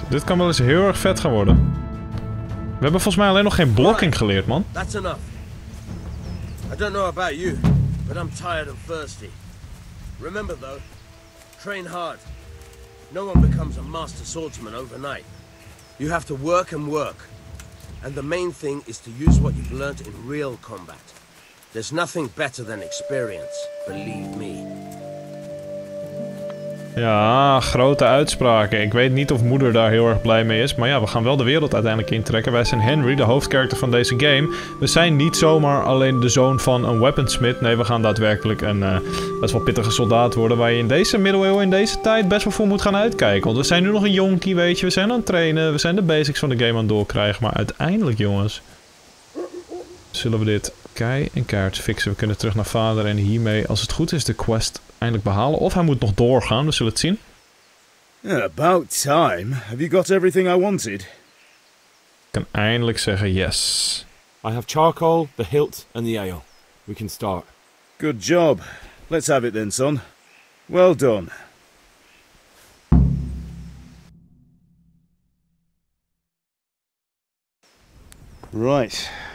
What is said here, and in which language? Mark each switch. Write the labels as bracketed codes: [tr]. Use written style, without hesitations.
[nl] Dit kan wel eens heel erg vet gaan worden. We hebben volgens mij alleen nog geen blocking geleerd, man. [en] That's enough. I don't know about you, but I'm tired and thirsty. Remember though, train hard. No one becomes a master swordsman overnight. You have to work and work. And the main thing is to use what you've learned in real combat. There's nothing better than experience, believe me. [nl] Ja, grote uitspraken. Ik weet niet of moeder daar heel erg blij mee is. Maar ja, we gaan wel de wereld uiteindelijk intrekken. Wij zijn Henry, de hoofdcharacter van deze game. We zijn niet zomaar alleen de zoon van een weaponsmith. Nee, we gaan daadwerkelijk een best wel pittige soldaat worden. Waar je in deze middeleeuwen, in deze tijd, best wel voor moet gaan uitkijken. Want we zijn nu nog een jonkie, weet je. We zijn aan het trainen. We zijn de basics van de game aan het doorkrijgen. Maar uiteindelijk, jongens, zullen we dit kei en kaart fixen. We kunnen terug naar vader en hiermee, als het goed is, de quest eindelijk behalen. Of hij moet nog doorgaan, we zullen het zien. [en] About time. Have you got everything I wanted? [nl] Ik kan eindelijk zeggen yes. [en] I have charcoal, the hilt and the ale. We can start. Good job. Let's have it then, son. Well done. Right.